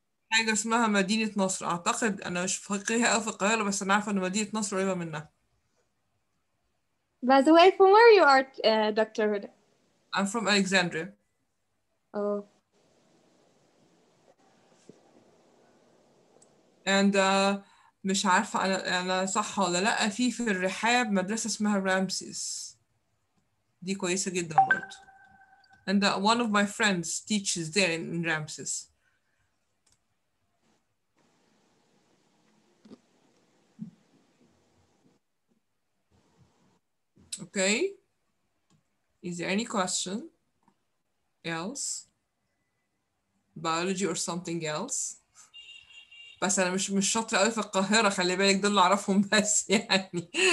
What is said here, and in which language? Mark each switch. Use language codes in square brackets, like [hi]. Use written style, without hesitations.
[ar] حاجة اسمها مدينة نصر أعتقد أنا مش فقيها أو في القاهرة بس أنا عارفة أن مدينة نصر قريبة منها. [en] By the way, from where you are, Dr. Hoda? I'm from Alexandria. Oh. And [ar] مش عارفة أنا صح ولا لا في الرحاب مدرسة اسمها رامسيس. دي كويسة جدا برضه. [en] And one of my friends teaches there in Ramses. Okay, is there any question else? Biology or something else? [ar] بس أنا مش شاطرة قوي في القاهرة خلي بالك دول اللي أعرفهم بس يعني.